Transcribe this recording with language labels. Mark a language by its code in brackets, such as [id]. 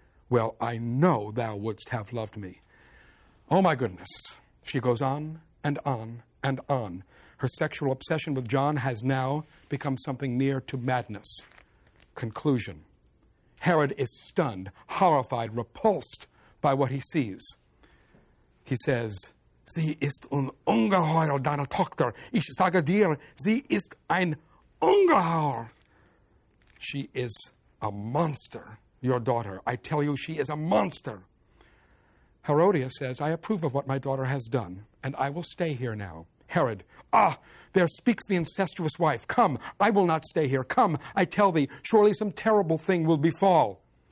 [en] Well, I know thou wouldst have loved me. Oh, my goodness. She goes on and on and on. Her sexual obsession with John has now become something near to madness. Conclusion. Herod is stunned, horrified, repulsed by what he sees. He says, [de] Sie ist ein Ungeheuer, deine Tochter. Ich sage dir, sie ist ein Ungeheuer. [en] She is a monster, your daughter. I tell you, she is a monster. Herodias says, I approve of what my daughter has done, and I will stay here now. Herod, ah, there speaks the incestuous wife. Come, I will not stay here. Come, I tell thee, surely some terrible thing will befall.